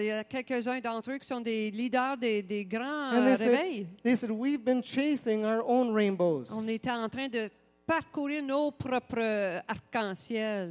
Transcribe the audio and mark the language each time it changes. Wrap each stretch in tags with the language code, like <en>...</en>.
<fr>Il y a quelques-uns d'entre eux qui sont des leaders des grands réveils.</fr> <en>They said, "We've been chasing our own rainbows."</en> <fr>On était en train de parcourir nos propres arc-en-ciel.</fr>